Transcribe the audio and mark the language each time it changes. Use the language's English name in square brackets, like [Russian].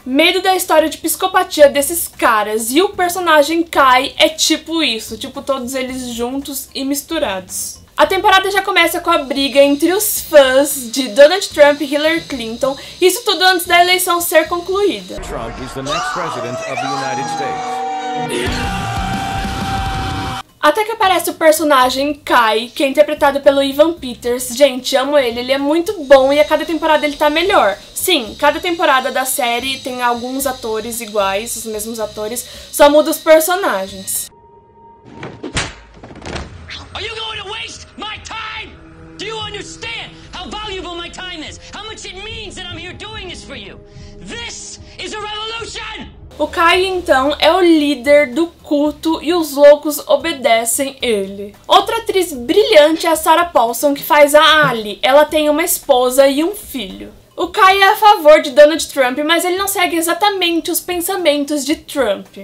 [Portuguese] Medo da história de psicopatia desses caras. E o personagem Kai é tipo isso. Tipo, todos eles juntos e misturados. A temporada já começa com a briga entre os fãs de Donald Trump e Hillary Clinton. Isso tudo antes da eleição ser concluída. [English] Trump is the next president of the United States. [Portuguese] Até que aparece o personagem Kai, que é interpretado pelo Evan Peters. Gente, amo ele. Ele é muito bom e a cada temporada ele tá melhor. Sim, cada temporada da série tem alguns atores iguais, os mesmos atores. Só muda os personagens. [English] Are you going to waste my time? Do you understand how valuable my time is? How much it means that I'm here doing this for you? This is a revolution! [Portuguese] O Kai, então, é o líder do culto e os loucos obedecem ele. Outra atriz brilhante é a Sarah Paulson, que faz a Ali. Ela tem uma esposa e um filho. O Kai é a favor de Donald Trump, mas ele não segue exatamente os pensamentos de Trump.